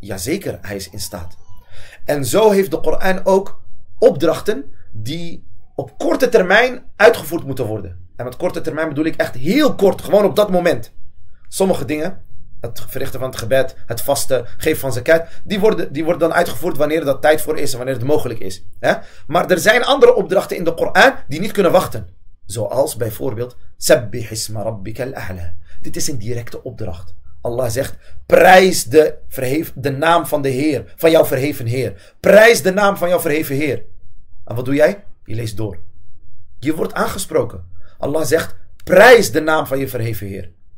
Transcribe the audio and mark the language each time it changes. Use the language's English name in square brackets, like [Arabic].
[Dutch] Jazeker, hij is in staat. En zo heeft de Koran ook opdrachten die op korte termijn uitgevoerd moeten worden. En met korte termijn bedoel ik echt heel kort, gewoon op dat moment. Sommige dingen, het verrichten van het gebed, het vasten, geven van zakat, die worden dan uitgevoerd wanneer dat tijd voor is en wanneer het mogelijk is. Hè? Maar er zijn andere opdrachten in de Koran die niet kunnen wachten. Zoals bijvoorbeeld, [Arabic] سَبِّحْ اسْمَ رَبِّكَ الْأَعْلَى. [Dutch] Dit is een directe opdracht. Allah zegt, prijs de naam van de Heer, van jouw verheven Heer. Prijs de naam van jouw verheven Heer. En wat doe jij? Je leest door. Je wordt aangesproken. Allah zegt, prijs de naam van je verheven Heer.